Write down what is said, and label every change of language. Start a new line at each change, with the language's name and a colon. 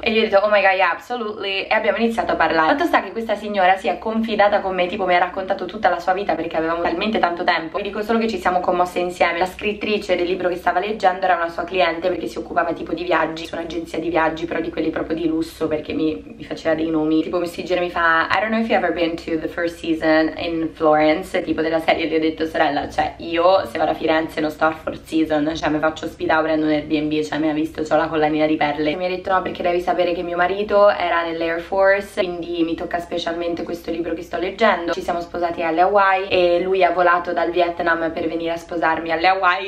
Italian: E gli ho detto:
English: "Oh my God, absolutely."
Italian: E abbiamo iniziato a parlare. Fatto sta che questa signora si è confidata con me, tipo mi ha raccontato tutta la sua vita, perché avevamo talmente tanto tempo. Vi dico solo che ci siamo commosse insieme. La scrittrice del libro che stava leggendo era una sua cliente, perché si occupava tipo di viaggi, su un'agenzia di viaggi, però di quelli proprio di lusso, perché mi faceva dei nomi. Tipo mi gira e mi fa:
English: "I don't know if you've ever been to the first season in Florence,"
Italian: tipo della serie. Gli ho detto: "Sorella, cioè io se vado a Firenze non sto a first season, cioè mi faccio ospitare prendo un Airbnb, cioè mi ha visto, c'ho la collanina di perle." E mi ha detto: "No, perché devi sapere che mio marito era nell'Air Force, quindi mi tocca specialmente questo libro che sto leggendo. Ci siamo sposati alle Hawaii e lui ha volato dal Vietnam per venire a sposarmi alle Hawaii."